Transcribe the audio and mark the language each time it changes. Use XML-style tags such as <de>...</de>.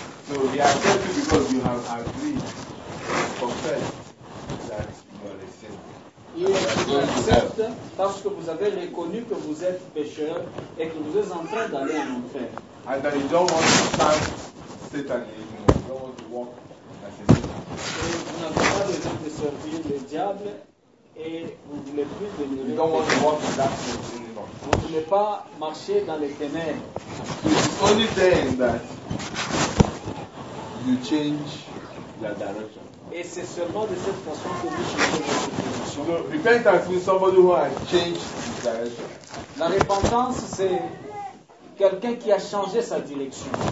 <en>So he accepts you because you have agreed, confessed that you are a sinner.</en> <fr>accepte parce que vous avez reconnu que vous êtes pécheur et que vous êtes en train d'aller en enfer.</fr> <en>And that you don't want to start Satan anymore. You don't want to walk as a Satan.</en> <fr>Et vous n'avez pas besoin de servir le diable et vous ne voulez plus devenir</fr> <en>pécheur. You don't want to walk in that anymore.</en> <fr>Vous ne voulez pas marcher dans les ténèbres.</fr> <en>It's only then that you change your direction.</en> <fr>Et c'est seulement de cette façon que vous changez votre position.</fr> <en>So, repentance means somebody who has changed his direction.</en> <fr>La repentance, c'est quelqu'un qui a changé sa direction.</fr>